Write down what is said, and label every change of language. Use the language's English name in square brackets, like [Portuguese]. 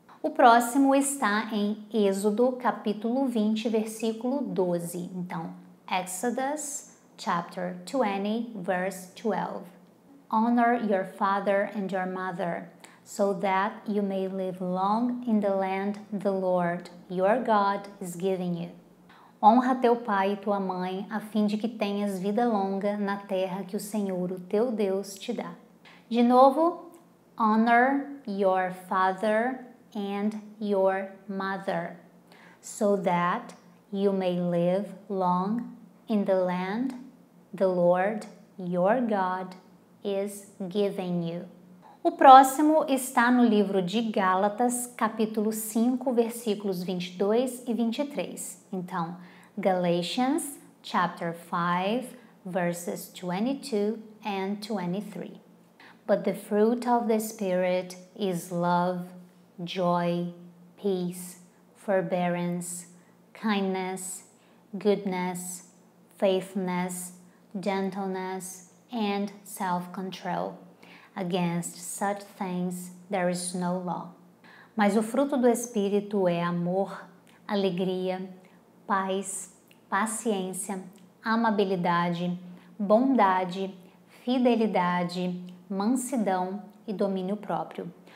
[Portuguese] O próximo está em Êxodo, capítulo 20, versículo 12. [English] Então, Exodus, chapter 20, verse 12. Honor your father and your mother, so that you may live long in the land the Lord, your God, is giving you. [Portuguese] Honra teu pai e tua mãe, a fim de que tenhas vida longa na terra que o Senhor, o teu Deus, te dá. De novo, [English] honor your father and your mother, so that you may live long in the land the Lord, your God, is giving you. [Portuguese] O próximo está no livro de Gálatas, capítulo 5, versículos 22 e 23. [English] Então, Galatians, chapter 5, verses 22 and 23. But the fruit of the Spirit is love, joy, peace, forbearance, kindness, goodness, faithfulness, gentleness, and self-control. Against such things there is no law. [Portuguese] Mas o fruto do Espírito é amor, alegria, paz, paciência, amabilidade, bondade, fidelidade, mansidão e domínio próprio.